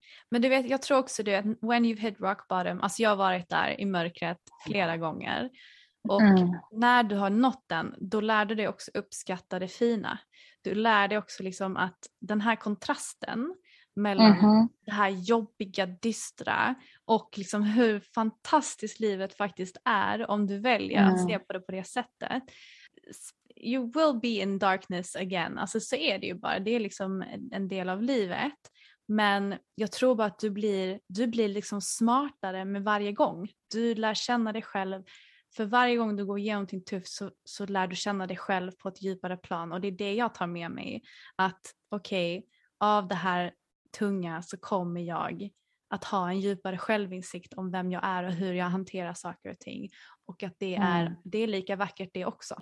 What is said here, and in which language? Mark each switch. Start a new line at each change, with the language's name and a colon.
Swedish: Men du vet, jag tror också det, att
English: when you've hit rock bottom,
Swedish: alltså jag har varit där i mörkret flera gånger, och när du har nått den, då lär du dig också uppskatta det fina. Du lär dig också liksom att den här kontrasten mellan det här jobbiga, dystra, och liksom hur fantastiskt livet faktiskt är om du väljer att se på det på det sättet.
English: You will be in darkness again.
Swedish: Alltså så är det ju bara. Det är liksom en del av livet. Men jag tror bara att du blir liksom smartare med varje gång. Du lär känna dig själv. För varje gång du går igenom till tufft så lär du känna dig själv på ett djupare plan. Och det är det jag tar med mig. Att okej, av det här tunga så kommer jag att ha en djupare självinsikt om vem jag är och hur jag hanterar saker och ting, och att det är lika vackert det också.